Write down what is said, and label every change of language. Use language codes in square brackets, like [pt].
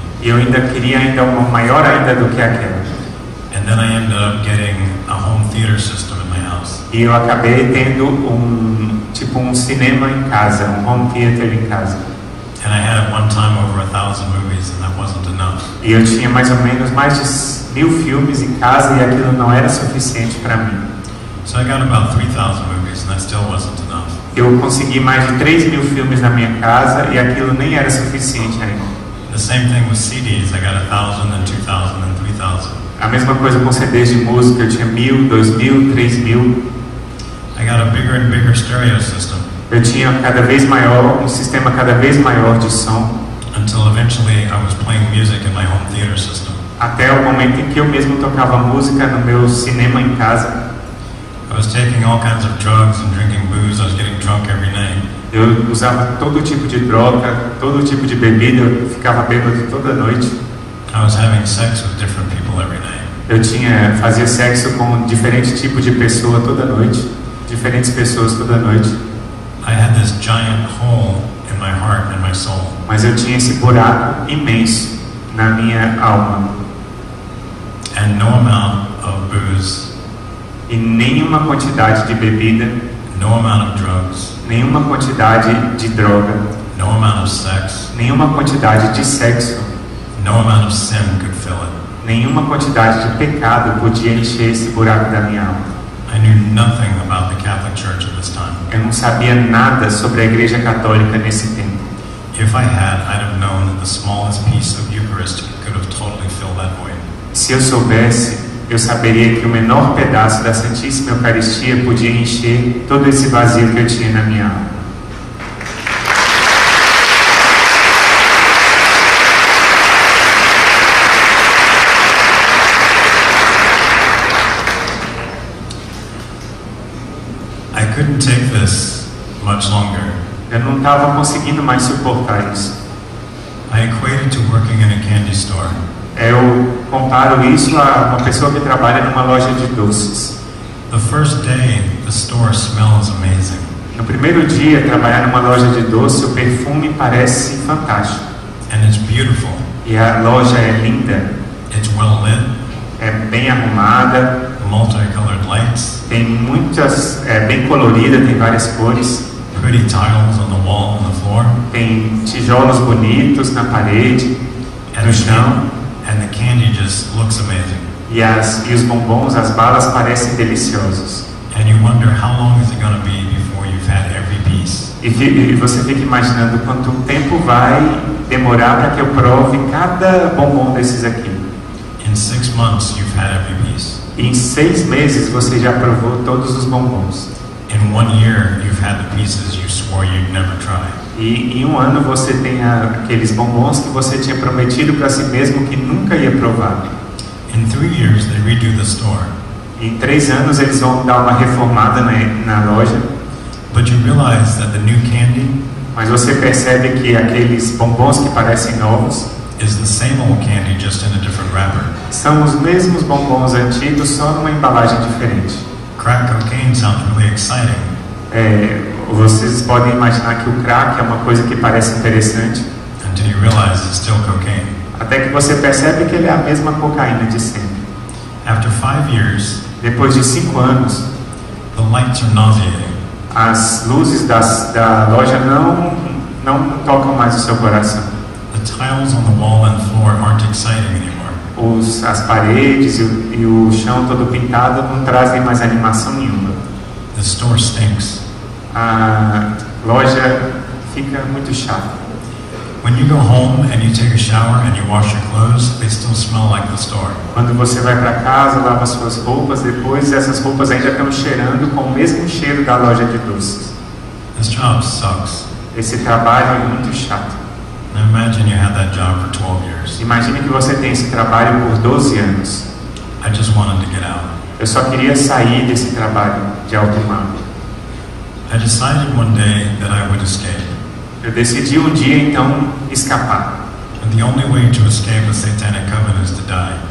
[pt] E eu ainda queria ainda uma maior ainda do que aquela. [en] And then I ended up getting a home theater system. [pt] E eu acabei tendo um cinema em casa, um home theater em casa. [en] And I had at one time over 1,000 movies and that wasn't enough. [pt] E eu tinha mais ou menos mais de 1,000 filmes em casa e aquilo não era suficiente para mim. [en] So I got about 3,000 movies and that still wasn't enough. [pt] Eu consegui mais de 3,000 filmes na minha casa e aquilo nem era suficiente ainda. [en] The same thing with CDs, I got 1,000 and 2,000 and 3,000. [pt] A mesma coisa com CDs de música, eu tinha 1,000, 2,000, 3,000. [en] I got a bigger and bigger stereo system. [pt] Eu tinha cada vez maior, um sistema cada vez maior de som. [en] Until eventually I was playing music in my home theater system. [pt] Até o momento em que eu mesmo tocava música no meu cinema em casa. [en] I was taking all kinds of drugs and drinking booze. I was getting drunk every night. [pt] Eu usava todo tipo de droga, todo tipo de bebida, eu ficava bêbado toda noite. [en] I was having sex with different people every night. [pt] Eu fazia sexo com diferente tipo de pessoa toda noite, diferentes pessoas toda noite. [en] I had this giant hole in my heart and my soul. [pt] Mas eu tinha esse buraco imenso na minha alma. [en] And no amount of booze. [pt] E nenhuma quantidade de bebida. [en] No amount of drugs. [pt] nenhuma quantidade de droga, [en] no amount of sex, [pt] nenhuma quantidade de sexo, [en] no amount of sin could fill it. [pt] Nenhuma quantidade de pecado podia encher esse buraco da minha alma. [en] I knew nothing about the Catholic Church at this time. [pt] Eu não sabia nada sobre a Igreja Católica nesse tempo. [en] If I had, I'd have known that the smallest piece of Eucharist could have totally filled that void. [pt] Se eu soubesse, eu saberia que o menor pedaço da Santíssima Eucaristia podia encher todo esse vazio que eu tinha na minha alma. [en] I couldn't take this much longer. [pt] Eu não estava conseguindo mais suportar isso. [en] I equated to working in a candy store. [pt] Eu comparo isso a uma pessoa que trabalha numa loja de doces. [en] The first day, the store smells amazing. [pt] No primeiro dia, trabalhar numa loja de doces, o perfume parece fantástico. [en] And it's beautiful. [pt] E a loja é linda. [en] It's well lit. [pt] É bem arrumada. [en] Multicolored lights. [pt] Tem muitas, é bem colorida, tem várias cores. [en] Pretty tiles on the wall and the floor. [pt] Tem tijolos bonitos na parede, no chão. [en] And the candy just looks amazing. [pt] E os bombons, as balas parecem deliciosos. [en] And you wonder how long is it going to be before you've had every piece. [pt] E você fica imaginando quanto tempo vai demorar para que eu prove cada bombom desses aqui. [en] In 6 months you've had every piece. [pt] Em 6 meses você já provou todos os bombons. [en] In 1 year you've had the pieces you swore you'd never try. [pt] E em 1 ano você tem aqueles bombons que você tinha prometido para si mesmo que nunca ia provar. [en] In 3 years, they redo the store. [pt] Em 3 anos eles vão dar uma reformada na loja. [en] But you realize that the new candy, [pt] mas você percebe que aqueles bombons que parecem novos, [en] is the same old candy, just in a different wrapper. [pt] São os mesmos bombons antigos, só numa embalagem diferente. [en] Crack cocaine sounds really exciting. [pt] Vocês podem imaginar que o crack é uma coisa que parece interessante. [en] Until you realize it's still cocaine. [pt] Até que você percebe que ele é a mesma cocaína de sempre. [en] After 5 years, [pt] depois de 5 anos, [en] the lights are nauseating. [pt] As luzes da loja não tocam mais o seu coração. [en] The tiles on the wall and floor aren't exciting anymore. [pt] As paredes e o chão todo pintado não trazem mais animação nenhuma. [en] The store stinks. [pt] A loja fica muito chata. [en] When you go home and you take a shower and you wash your clothes, they still smell like the store. [pt] Quando você vai para casa, lava suas roupas, depois essas roupas ainda estão cheirando com o mesmo cheiro da loja de doces. [en] This job sucks. [pt] Esse trabalho é muito chato. [en] Now imagine you had that job for 12 years. [pt] Imagine que você tem esse trabalho por 12 anos. [en] I just wanted to get out. [pt] Eu só queria sair desse trabalho de alto mar. [en] I decided one day that I would escape. [pt] Eu decidi dia então escapar. [en] And the only way to escape a satanic covenant is to die.